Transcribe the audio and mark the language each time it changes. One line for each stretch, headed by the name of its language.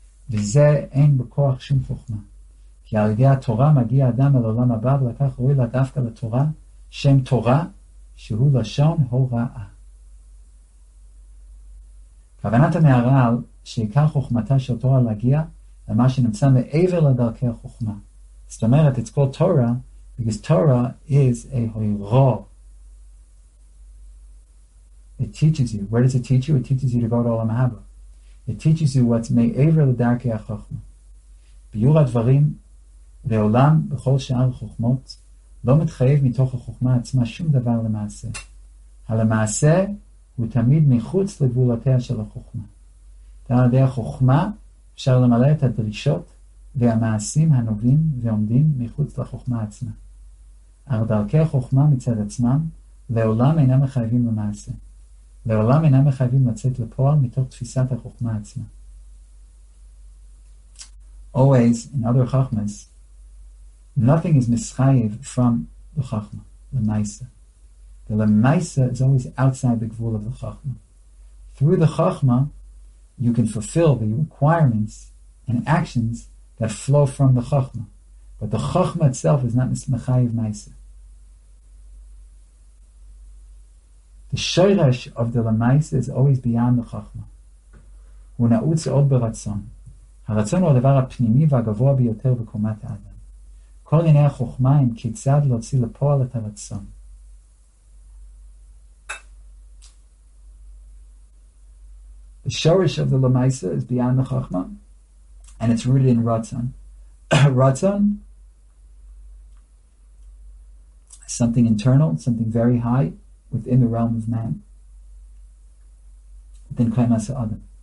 Hebrew: וזה אין בכוח שום חוכמה. כי על ידי התורה מגיע אדם אל עולם הבא, ולכך רואי לה דווקא לתורה, שם תורה, שהוא לשון הוראה. כוונת המערל, שעיקר חוכמתה של תורה להגיע למה שנמצא מעבר לדרכי החוכמה. זאת אומרת,
English: it's called Torah, because Torah is a hoiro. It teaches you. Where does it teach you? It teaches you to go to Olam Haba. It teaches you what's
Hebrew: מעבר לדרכי החוכמה. ביור הדברים, לעולם, בכל שאר החוכמות, לא מתחייב מתוך החוכמה עצמה שום דבר למעשה. הלמעשה הוא תמיד מחוץ לגבולותיה של החוכמה. על ידי החוכמה אפשר למלא את הדרישות והמעשים הנובעים ועומדים מחוץ לחוכמה עצמה. אך דרכי החוכמה מצד עצמם לעולם אינם מחייבים למעשה. לעולם אינם מחייבים לצאת לפועל מתוך תפיסת החוכמה עצמה.
English: Always, in other chachmas, nothing is mischayiv from the chachma, the maisa. The lemaisa is always outside the gvul of the chachma. Through the chachma, you can fulfill the requirements and actions that flow from the chachma. But the chachma itself is not mischayiv maisa. The shayrash of the lemaisa is always beyond the chachma.
Hebrew: Huna'utz od beratzon. הרצון הוא הדבר הפנימי והגבוה ביותר בקומת האדם. כל עיני החוכמה הם כיצד להוציא לפועל את הרצון.
English: The shorish of the lamaisa is beyond the chachma, and it's rooted in ratzon. Ratzon, something internal, something very high, within the realm of man, within klei ma'aseh adam.